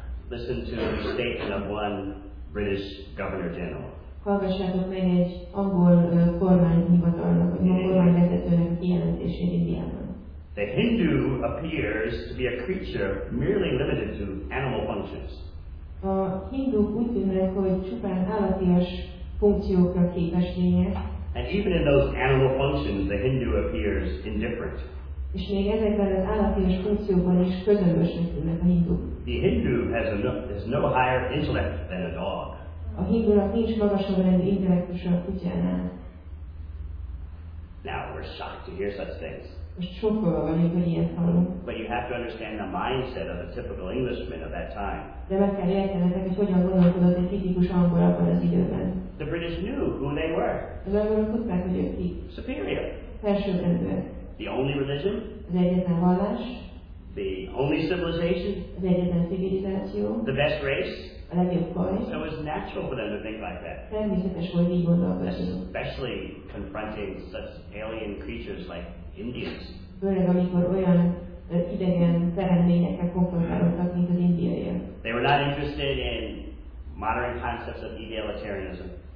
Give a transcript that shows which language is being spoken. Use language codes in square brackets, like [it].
[en] Listen to the statement of one British Governor General. [hu] Hallgassátok meg egy angol kormányhivatalnak, vagy angol kormányvezetőnek kijelentését Indiában. [en] The Hindu appears to be a creature merely limited to animal functions. [hu] A hinduk úgy tűnnek, hogy csupán állatias funkciókra képes lények. [en] And even in those animal functions, the Hindu appears indifferent. [hu] És még ezekben az állatias funkcióban is közömbösnek tűnnek a hinduk. [en] The Hindu has no higher intellect than a dog. [hu] A hívőnek nincs magasabb rendű intellektusa a kutyánál. [en] Now we're shocked to hear such things. [hu] Most sokkolva vagyunk, hogy ilyet hallunk. [en] But you have to understand the mindset of a typical Englishman of that time. [hu] De meg kell értenetek, hogy hogyan gondolkodott egy tipikus angol abban az időben. [en] The British knew who they were. [hu] Az angolok tudták, hogy ők ki. [en] Superior. [hu] Felsőrendűek. [en] The only religion. [hu] Az egyetlen vallás. [en] The only civilization. [hu] Az egyetlen civilizáció. [en] The best race. [hu] A legjobb fajt. [en] So it was natural for them to think like that. [hu] Természetes volt így gondolkodni. [en] Especially confronting such alien creatures like Indians. [hu] Főleg amikor olyan idegen teremtményekkel konfrontálódtak, mint az indiaiak. [en] They were not interested in modern concepts of egalitarianism.